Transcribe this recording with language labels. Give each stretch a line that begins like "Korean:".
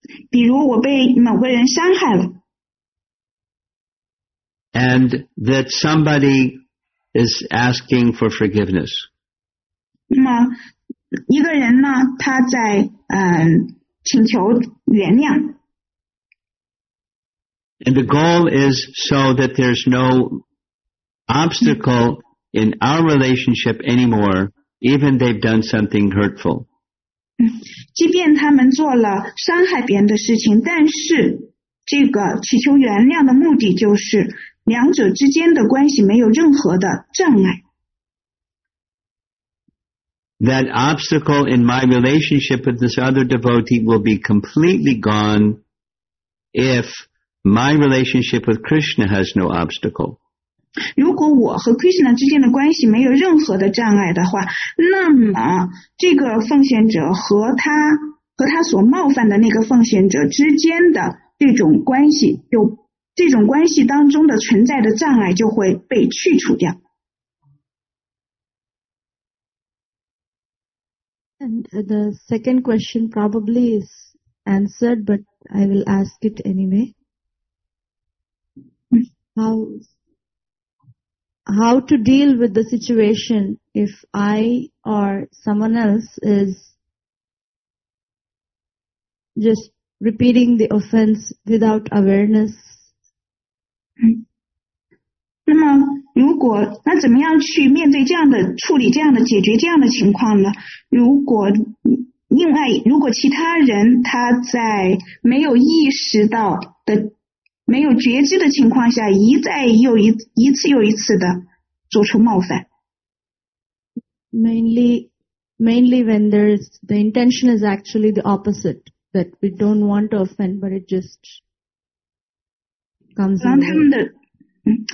Chinese: 比如我被某个人伤害了。
English: And that somebody is asking for forgiveness.
Chinese: 那么一个人呢，他在请求原谅。
English: And the goal is so that there's no obstacle in our relationship anymore, even they've done something hurtful.
Chinese: 即便他们做了伤害别人的事情，但是这个祈求原谅的目的就是两者之间的关系没有任何的障碍。
English: That obstacle in my relationship with this other devotee will be completely gone if my relationship with Krishna has no obstacle.
Chinese: 如果我和 Krishna 之间的关系没有任何的障碍的话，那么这个奉献者和他所冒犯的那个奉献者之间的这种关系当中的存在的障碍就会被去除掉。
English: And the second question probably is answered, but I will ask it anyway. How to deal with the situation if I or someone else is just repeating the offense without awareness?
Chinese: 那么如果那怎么样去面对这样的处理这样的解决这样的情况呢？如果其他人他在没有意识到的没有觉知的情况下一次又一次的做出冒犯。
English: Mainly when the intention is actually the opposite, that we don't want to offend, but it just comes in.